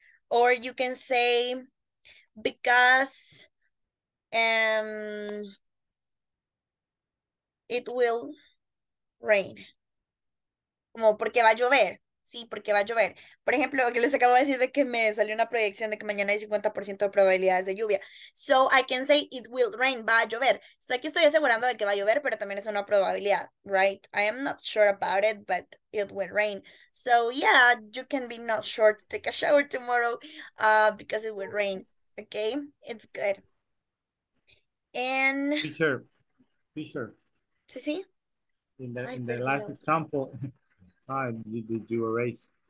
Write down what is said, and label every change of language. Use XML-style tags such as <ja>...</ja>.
<en>Or you can say because it will rain.</en> <es>Como porque va a llover. Sí, porque va a llover. Por ejemplo, que les acabo de decir de que me salió una proyección de que mañana hay 50% de probabilidades de lluvia.</es> <en>So I can say it will rain,</en> <es>va a llover.</es> <en>So</en> <es>aquí estoy asegurando de que va a llover, pero también es una probabilidad,</es> <en>right? I am not sure about it, but it will rain. So yeah, you can be not sure to take a shower tomorrow because it will rain. Okay, it's good. And... Be sure.</en> <es>Sí, sí.</es> <en>In the last example... did you erase?</en>